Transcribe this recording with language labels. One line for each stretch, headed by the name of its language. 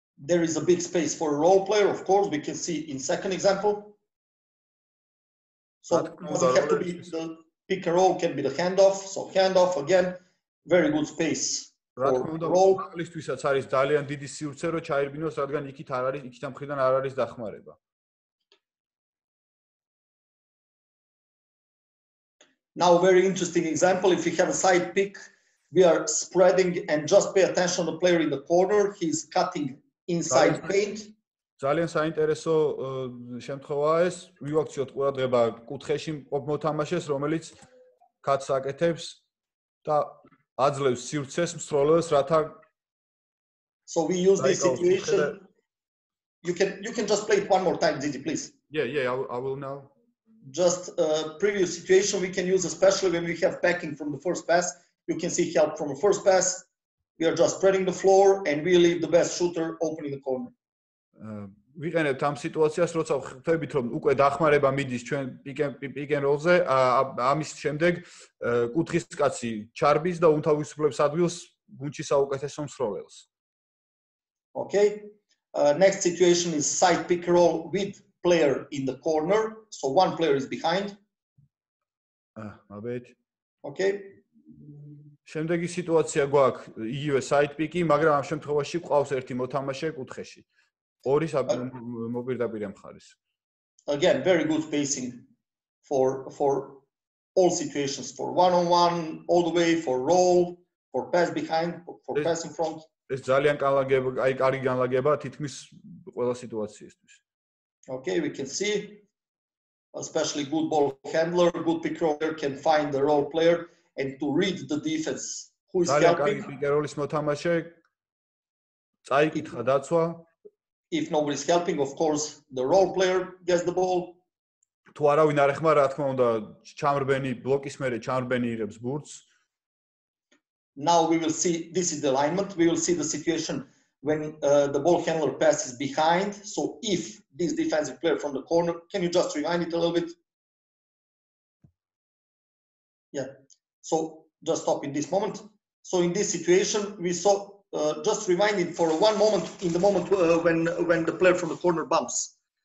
English: There is a big space for a role player, of course, we can see in second example. So doesn't have to be the pick and roll, can be the handoff. So handoff again, very good space for role.
Georgian: მაგალითისაც არის ძალიან დიდი სივრცე რო ჩაერბინოს, რადგან იქით არ არის, იქით ამ ხრიდან არ არის დახმარება.
English: Now very interesting example, if you have a side pick, we are spreading and just pay attention to the player in the corner, he's cutting inside paint.
Georgian: ძალიან საინტერესო შემთხვევაა ეს. ვიაქციოთ ყურადღება კუთხეში მყოფ მოთამაშეს, რომელიც კაცს აკეთებს და აძლევს სივრცეს მსროლელს, რათა
English: So we use this situation. You can just play it one more time, Didi, please. Yeah, I will now. just a previous situation we can use, especially when we have backing from the first pass. You can see help from the first pass. We are just spreading the floor and we leave the best shooter opening the corner.
Georgian: ვიყენებთ ამ სიტუაციას, როცა ხვდებით, რომ უკვე დახმარება მიდის ჩვენ პიკენ როლზე, ამის შემდეგ კუთხის კაცი ჩარბის და უთავისუფლებს ადგილს გუნჩის საუკეთესო მსროველს.
English: Okay. Next situation is side pick roll with player in the corner, so one player is behind. Მაბეთ. Okay.
Georgian: შემდეგი სიტუაცია გვაქვს იგივე side pick-ი, მაგრამ ამ შემთხვევაში ყავს ერთი მოთამაშე კუთხეში. ორის მოპირდაპირე მხარეს.
English: Again, very good spacing for all situations, for one on one, all the way for roll, for pass behind, for pass in front.
Georgian: ეს ძალიან განლაგება, აი კარგი განლაგება თითქმის ყველა სიტუაციისთვის.
English: Okay, we can see especially good ball handler, good pick roller can find the role player and to read the defense who is helping.
Georgian: კარგი პიკ როლის მოთამაშე წაიკითხა დაცვა.
English: If nobody is helping, of course the role player gets the ball.
Georgian: თუ არავინ არ ეხმარა, რა თქმა უნდა, ჩამრბენი ბლოკის მერე ჩამრბენი იღებს ბურთს.
English: Now we will see, this is the alignment, we will see the situation when the ball handler passes behind, so if this defensive player from the corner, can you just rewind it a little bit? Yeah, so just stop in this moment. So in this situation we saw just rewinding for one moment in the moment when the player from the corner bumps.